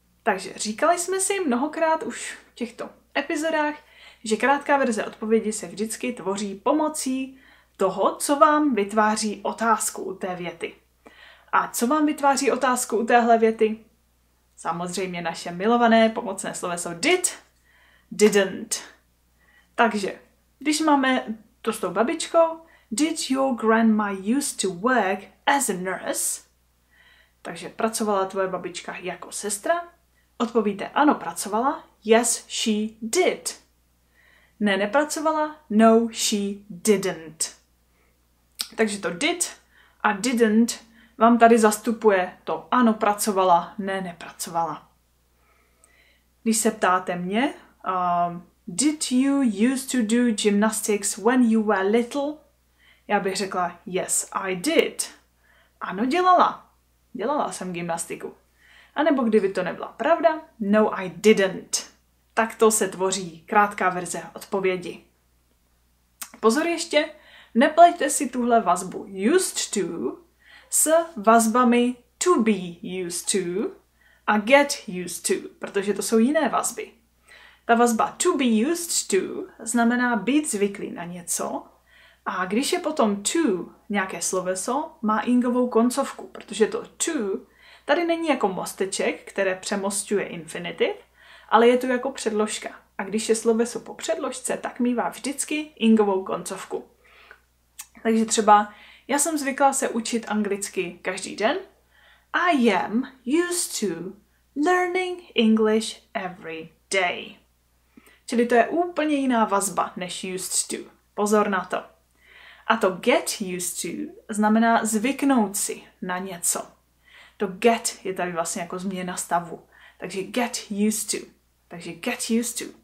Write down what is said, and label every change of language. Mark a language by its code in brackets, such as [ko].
[cs] Takže říkali jsme si mnohokrát už v těchto epizodách, že krátká verze odpovědi se vždycky tvoří pomocí toho, co vám vytváří otázku u té věty. A co vám vytváří otázku u téhle věty? Samozřejmě naše milované pomocné sloveso did, didn't. Takže, když máme to s tou babičkou, [en] did your grandma used to work as a nurse? [cs] Takže pracovala tvoje babička jako sestra? Odpovíte ano, pracovala. [en] Yes, she did. [cs] Ne, nepracovala. [en] No, she didn't. [cs] Takže to did a didn't vám tady zastupuje to ano, pracovala, ne, nepracovala. Když se ptáte mě, [en] did you used to do gymnastics when you were little? [cs] Já bych řekla, [en] yes, I did. [cs] Ano, dělala. Dělala jsem gymnastiku. A nebo kdyby to nebyla pravda, [en] no, I didn't. [cs] Tak to se tvoří krátká verze odpovědi. Pozor ještě, nepleťte si tuhle vazbu used to s vazbami to be used to a get used to, protože to jsou jiné vazby. Ta vazba to be used to znamená být zvyklý na něco a když je potom to nějaké sloveso, má ingovou koncovku, protože to to tady není jako mosteček, které přemosťuje infinitiv, ale je tu jako předložka. A když je sloveso po předložce, tak mívá vždycky ingovou koncovku. Takže třeba já jsem zvykla se učit anglicky každý den. [en] I am used to learning English every day. [cs] Čili to je úplně jiná vazba než used to. Pozor na to. A to get used to znamená zvyknout si na něco. To get je tady vlastně jako změna stavu. Takže get used to. Takže get used to.